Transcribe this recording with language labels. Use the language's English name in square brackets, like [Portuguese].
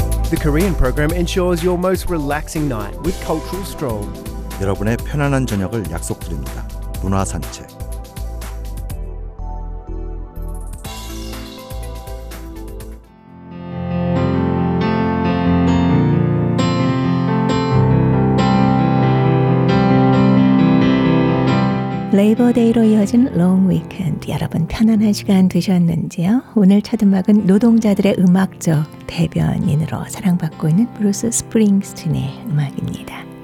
[English] The Korean program ensures your most relaxing night with cultural stroll. [Korean] 여러분의 편안한 저녁을 약속드립니다. 문화 산책. Labor Day로 이어진 Long Weekend. 여러분 편안한 시간 되셨는지요? 오늘 첫 음악은 노동자들의 음악적 대변인으로 사랑받고 있는 브루스 스프링스틴의 음악입니다.